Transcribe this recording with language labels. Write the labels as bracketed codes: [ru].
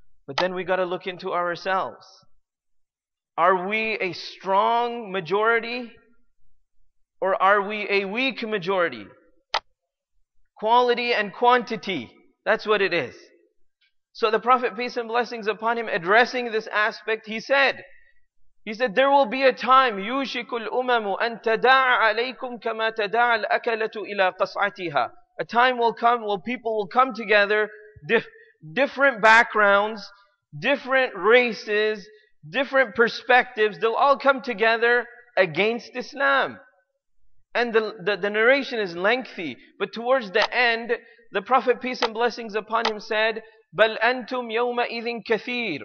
[en] But then we got to look into ourselves. Are we a strong majority or are we a weak majority? Quality and quantity, that's what it is. So the Prophet, peace and blessings upon him, addressing this aspect, he said, He said, there will be a time, [ar] يُوشِكُ الْأُمَمُ أَن تَدَاعَ عَلَيْكُمْ كَمَا تَدَاعَ الْأَكَلَةُ إِلَىٰ قَصْعَتِهَا. [en] A time will come where people will come together, different backgrounds, different races, different perspectives, they'll all come together against Islam. And the narration is lengthy, but towards the end, the Prophet, peace and blessings upon him, said, [ar] بَلْ أَنْتُمْ يَوْمَئِذٍ كَثِيرٌ.